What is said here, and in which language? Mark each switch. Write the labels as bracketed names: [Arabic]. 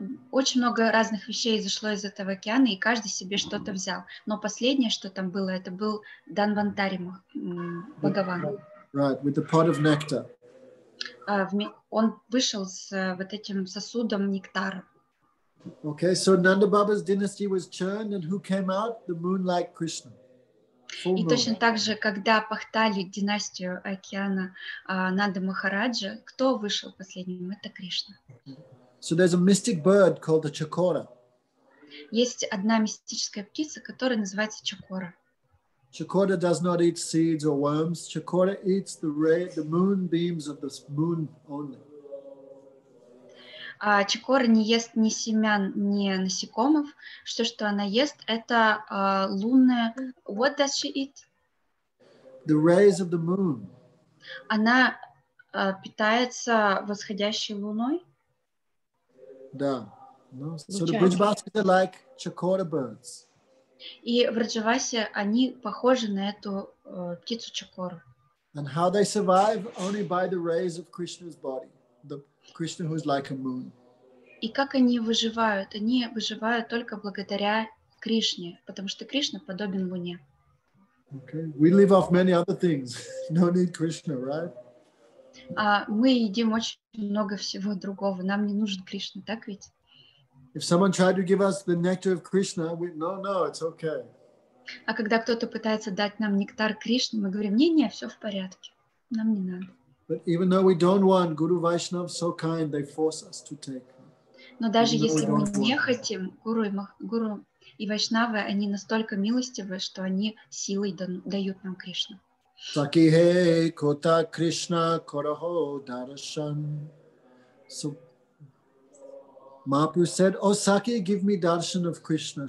[Russian] Очень много разных вещей изошло из этого океана, и каждый себе что-то взял. Но последнее, что там было, это был Данвантари Бхагаван. [English] Right, with the pot of nectar. [Russian] Он вышел с вот этим сосудом нектара. [English] Okay, so Nanda Baba's dynasty was churned, and who came out? The moon-like Krishna. [Russian] И точно так же, когда пахтали династию океана Нанда Махараджа, кто вышел последним? Это Кришна. [English] So there's a mystic bird called the Chakora. [Russian] Есть одна мистическая птица, которая называется Чакора. [English] Chakora does not eat seeds or worms. Chakora eats the ray, the moon beams of the moon only. [Russian] Чакора не ест ни семян, ни насекомых. Все, что она ест, это лунная... [English] What does she eat? The rays of the moon. [Russian] Она питается восходящей луной? Да. [English] No. So the Vrajavasis are like Chakora birds. [Russian] И в Раджавасе они похожи на эту птицу Чакору. [English] And how they survive? Only by the rays of Krishna's body. The Krishna who is like a moon. [Russian] И как они выживают? Они выживают только благодаря Кришне, потому что Кришна подобен Луне. [English] Okay. We live off many other things. No need Krishna, right? [Russian] Мы едим очень много всего другого. Нам не нужен Кришна, так ведь? [English] If someone tried to give us the nectar of Krishna, we no, it's okay. [Russian] А когда кто-то пытается дать нам нектар Кришны, мы говорим: не, все в порядке. Нам не надо. [English] But even though we don't want, Guru Vaishnav so kind, they force us to take. [Russian] Но даже если мы не хотим, гуру и вайшнавы, они настолько милостивы, что они силой дают нам Кришну. [Bangla] Сакихе кота Кришна корохо даршан. [English] So Mahaprabhu said, "О Саки, give me darshan of Krishna.